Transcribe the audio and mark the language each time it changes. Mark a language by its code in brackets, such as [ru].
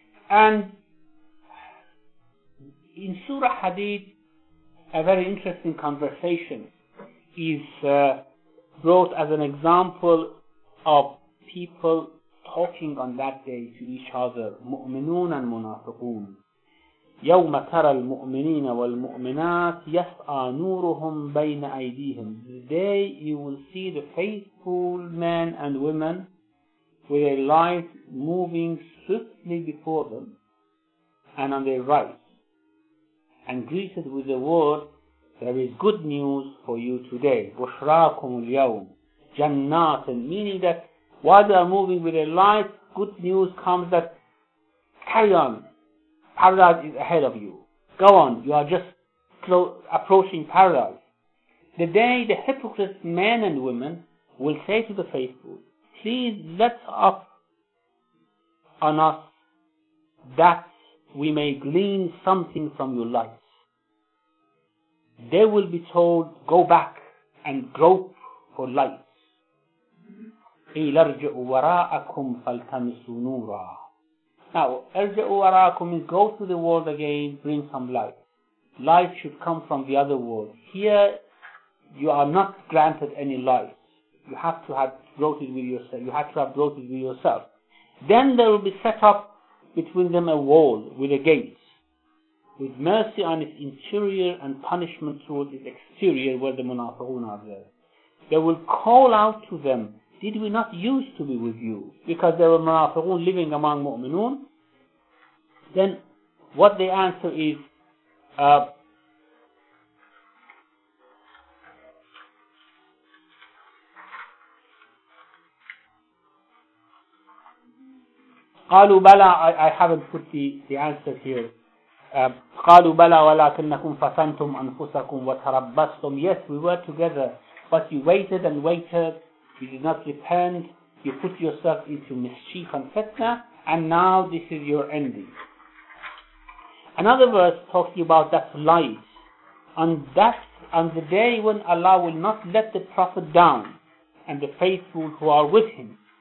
[en] And in Surah Hadid, a very interesting conversation is brought as an example of people talking on that day to each other, مؤمنون and منافقون. [ar] يوم ترى المؤمنين والمؤمنات يسعى نورهم بين أيديهم. [en] The day you will see the faithful men and women with a light moving swiftly before them and on their right, and greeted with the word, there is good news for you today. [ar] بشراكم اليوم جنات, [en] meaning that while they are moving with a light, good news comes that carry on, paradise is ahead of you. Go on, you are just approaching paradise. The day the hypocrites, men and women, will say to the faithful, please let up on us that we may glean something from your light. They will be told, go back and grope for light. [ar] قيل ارجعوا وراءكم فالتمسوا نورا. [en] Now, [ar] ارجعوا وراءكم [en] means go to the world again, bring some light. Light should come from the other world. Here, you are not granted any light. You have to have brought it with yourself. You have to have brought it with yourself. Then there will be set up between them a wall with a gate, with mercy on its interior and punishment towards its exterior, where the munafiqun are there. They will call out to them, did we not used to be with you? Because there were munafiqun living among mu'minun. Then what they answer is, [ar] قالوا بلى, [en] I haven't put the answer here. [ar] قالوا بلى ولكنكم فتنتم أنفسكم وتربصتم. [en] Yes, we were together, but you waited and waited. You did not repent, you put yourself into mischief and fitna, and now this is your ending. Another verse talking about that light. On the day when Allah will not let the Prophet down and the faithful who are with him.